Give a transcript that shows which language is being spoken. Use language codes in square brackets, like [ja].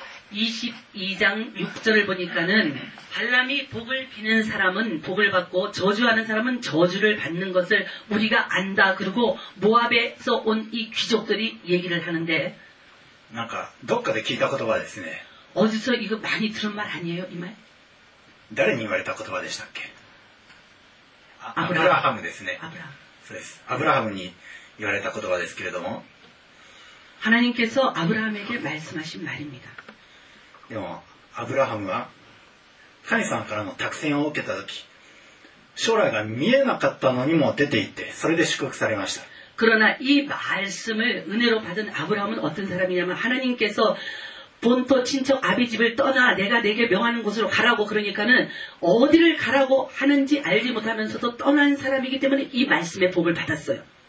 [ko] 22장6절을보니까는발람이복을비는사람은복을받고저주하는사람은저주를받는것을우리가안다그리고모압에서온이귀족들이얘기를하는데 [ja] なんかどっかで聞いた言葉ですね [ko] 어디서이거많이들은말아니에요이말 [ja] 誰に言われた言葉でしたっけ아브라함に言われた言葉ですけれども、 [ko] 하나님께서아브라함에게말씀하신말입니다 [ja] でも아브라함は神様からの託宣を受けた時、将来が見えなかったのにも出ていってそれで祝福されました。 [ko] 그러나이말씀을은혜로받은아브라함은어떤사람이냐면하나님께서본토친척아비집을떠나내가내게명하는곳으로가라고그러니까는어디를가라고하는지알지못하면서도떠난사람이기때문에이말씀의복을받았어요